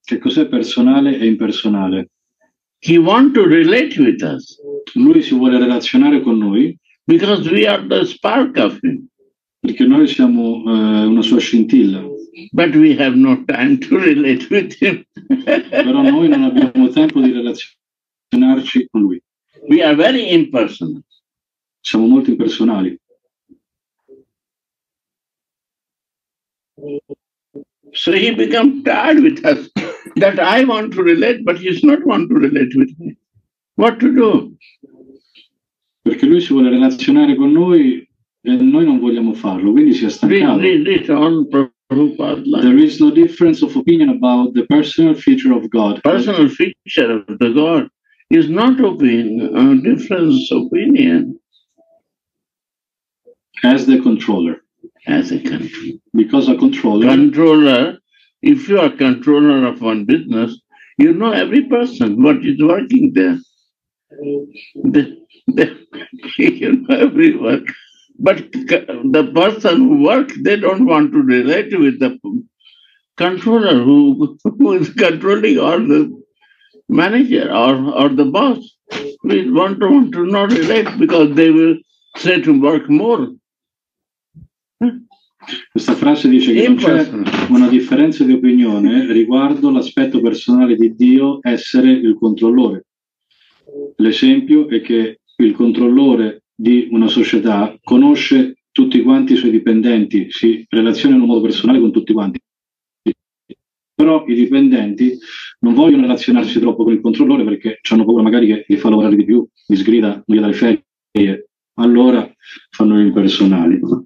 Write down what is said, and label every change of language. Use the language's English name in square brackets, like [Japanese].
[Italian] Che cos'è personale e impersonale? [English] He wants to relate with us. [Italian] Lui si vuole relazionare con noi. [English] Because we are the spark of him. [Italian] Perché noi siamo una sua scintilla. [English] But we have no time to relate with him. [Italian] Però noi non abbiamo tempo di relazionarci con lui. [English] We are very impersonal. [Italian] Siamo molto impersonali. [English] So he becomes tired with us. That I want to relate, but he's not want to relate with me. What to do? [Italian] Perché lui si vuole relazionare con noi. E noi non vogliamo farlo, quindi si è stancato. [English] There is no difference of opinion about the personal future of God. Personal future of the God is not a difference of opinion. As the controller. As a controller. Because a controller. Controller, if you are controller of one business, you know every person what is working there. You know every work. But the person who works, they don't want to relate with the controller who is controlling or the manager or the boss. We want to not relate because they will say to work more. [Italian] Questa frase dice che non c'è una differenza di opinione riguardo l'aspetto personale di Dio essere il controllore. L'esempio è che il controllore di una società conosce tutti quanti i suoi dipendenti, si relaziona in un modo personale con tutti quanti, però i dipendenti non vogliono relazionarsi troppo con il controllore perché hanno paura magari che li fa lavorare di più, li sgrida, non gli dà le ferie, allora fanno gli impersonali.